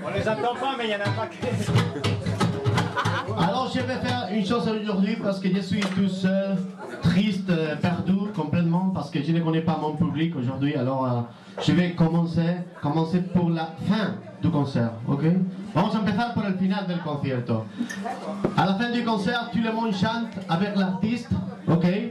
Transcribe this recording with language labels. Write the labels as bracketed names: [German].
[French] On les entend pas, mais il y en a un paquet. Alors je vais faire une chose aujourd'hui parce que je suis tout seul, triste, perdu complètement parce que je ne connais pas mon public aujourd'hui. Alors je vais commencer pour la fin du concert, ok? [Spanish] Vamos a empezar por el final del concierto. [French] A la fin du concert, tout le monde chante avec l'artiste, ok?